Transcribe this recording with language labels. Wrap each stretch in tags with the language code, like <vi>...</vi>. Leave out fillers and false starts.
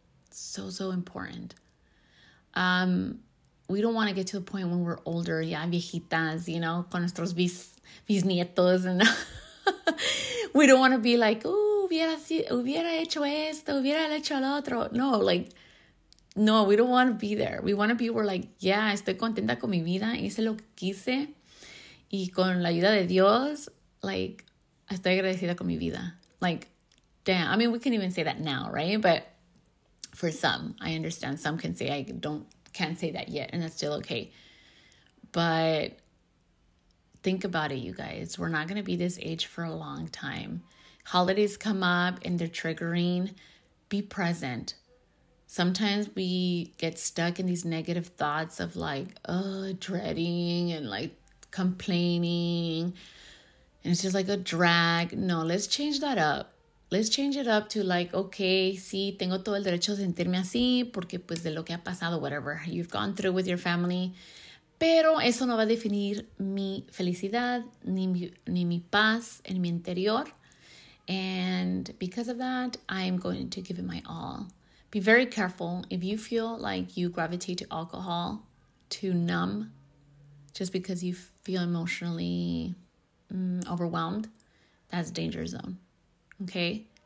<en>So, so important. We don't want to get to a point when we're older, yeah,</en> <es>viejitas,</es> <en>you know,</en> <es>con nuestros bisnietos.</es> <en>And we don't want to be like, oh,</en> <es>hubiera hecho esto, hubiera hecho lo otro.</es> <en>No, like, no, we don't want to be there. We want to be where, like, yeah,</en> <es>estoy contenta con mi vida. Hice lo que quise. Y con la ayuda de Dios, like, estoy agradecida con mi vida.</es> <en>Like, damn. I mean, we can even say that now, right? But for some, I understand. Some can say, can't say that yet. And that's still okay. But think about it, you guys. We're not going to be this age for a long time. Holidays come up and they're triggering. Be present. sometimes we get stuck in these negative thoughts of like, dreading and like complaining. And it's just like a drag. No, let's change that up. Let's change it up to like, okay,</en> <es>sí, tengo todo el derecho a sentirme así porque pues de lo que ha pasado,</es> <en>whatever you've gone through with your family.</en> <es>Pero eso no va a definir mi felicidad ni mi paz en mi interior.</es> <en>And because of that, I'm going to give it my all. Be very careful if you feel like you gravitate to alcohol to numb just because you feel emotionally overwhelmed. That's danger zone. Okay?</en>